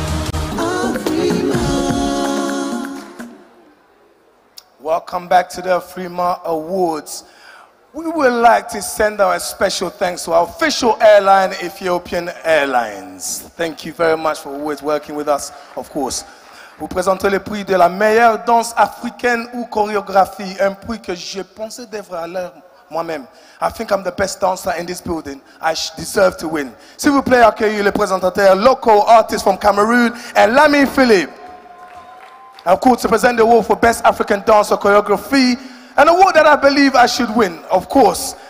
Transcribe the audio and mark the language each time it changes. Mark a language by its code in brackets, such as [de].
[en] Afrima. Welcome back to the Afrima Awards. We would like to send our special thanks to our official airline, Ethiopian Airlines. Thank you very much for always working with us, of course. [fr] Vous présentez le prix de la meilleure danse africaine ou chorégraphie, un prix que je pensais devrait aller moi-même. [en] I think I'm the best dancer in this building. I deserve to win. [fr] S'il vous plaît, accueillez le présentateur, [en] local artist from Cameroon, and Lamy Philip. I'm called to present the award for Best African Dancer Choreography, an award that I believe I should win, of course.